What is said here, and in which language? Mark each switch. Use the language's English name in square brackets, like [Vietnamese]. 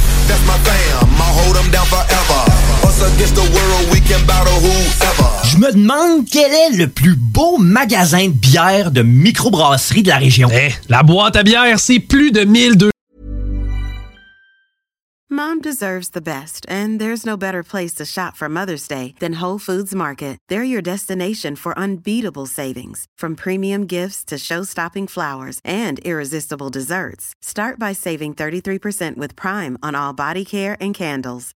[English] That's my fam, I'll hold them down forever. Us against the world, we can battle whoever. [French] Je me demande quel est le plus beau magasin de bière de microbrasserie de la région. Hey, la boîte à bière, c'est plus de 1200. [English] Mom deserves the best, and there's no better place to shop for Mother's Day than Whole Foods Market. They're your destination for unbeatable savings, from premium gifts to show-stopping flowers and irresistible desserts. Start by saving 33% with Prime on all body care and candles.